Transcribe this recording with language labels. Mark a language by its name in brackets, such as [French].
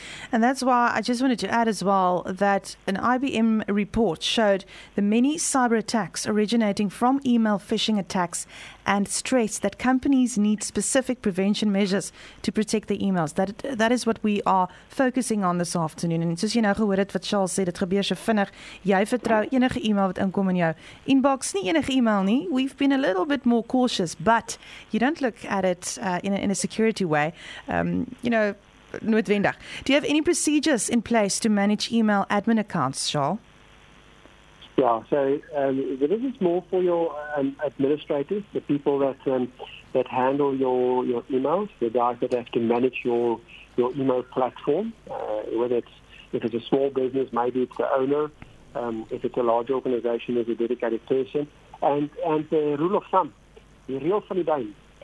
[English] And that's why I just wanted to add as well that an IBM report showed the many cyber attacks originating from email phishing attacks and stressed that companies need specific prevention measures to protect their emails. That is what we are focusing on this afternoon. [Afrikaans] And soos jy nou gehoor het wat Charles sê, dit gebeur so vinnig. Jy vertrou enige email wat inkom in jou inbox, nie enige email nie. [English] We've been a little bit more cautious, but you don't look at it in a security way. Noodwendig. Do you have any procedures in place to manage email admin accounts, Charles? Yeah, so this is more for your administrators, the people that that handle your emails, the guys that have to manage your email platform, whether if it's a small business, maybe it's the owner, if it's a large organization, there's a dedicated person, and the rule of thumb, the real funny thing.